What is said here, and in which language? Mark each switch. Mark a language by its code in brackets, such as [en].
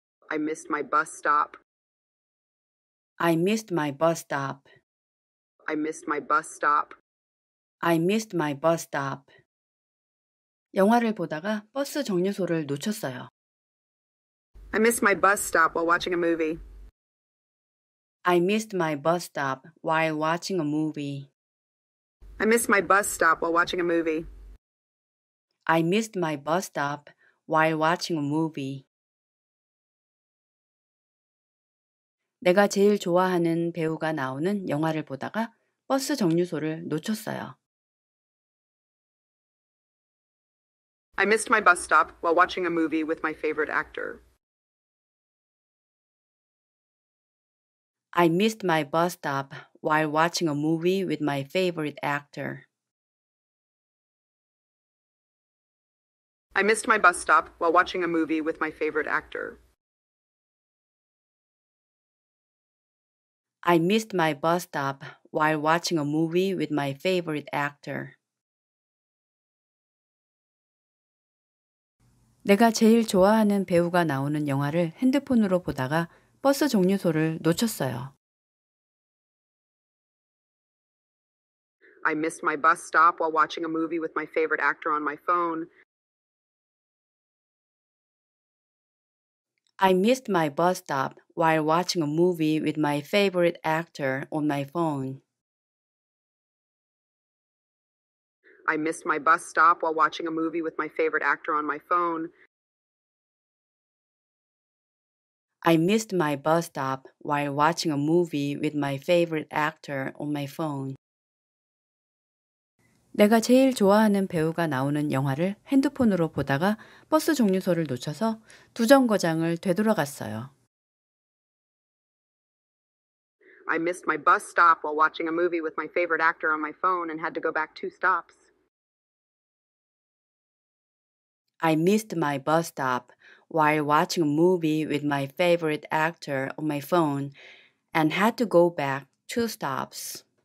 [en] I missed my bus stop. I missed my bus stop. I missed my bus stop. I missed my bus stop. [ko] 영화를 보다가 버스 정류소를 놓쳤어요. [en] I missed my bus stop while watching a movie. I missed my bus stop while watching a movie. I missed my bus stop while watching a movie. I missed my bus stop while watching a movie. [ko] 내가 제일 좋아하는 배우가 나오는 영화를 보다가 버스 정류소를 놓쳤어요. [en] I missed my bus stop while watching a movie with my favorite actor. I missed my bus stop while watching a movie with my favorite actor. I missed my bus stop while watching a movie with my favorite actor. I missed my bus stop while watching a movie with my favorite actor. [ko] 내가 제일 좋아하는 배우가 나오는 영화를 핸드폰으로 보다가 버스 정류소를 놓쳤어요. [en] I missed my bus stop while watching a movie with my favorite actor on my phone. I missed my bus stop while watching a movie with my favorite actor on my phone. I missed my bus stop while watching a movie with my favorite actor on my phone. I missed my bus stop while watching a movie with my favorite actor on my phone. [ko] 내가 제일 좋아하는 배우가 나오는 영화를 핸드폰으로 보다가 버스 정류소를 놓쳐서 두 정거장을 되돌아갔어요. [en] I missed my bus stop while watching a movie with my favorite actor on my phone and had to go back two stops. I missed my bus stop while watching a movie with my favorite actor on my phone and had to go back two stops.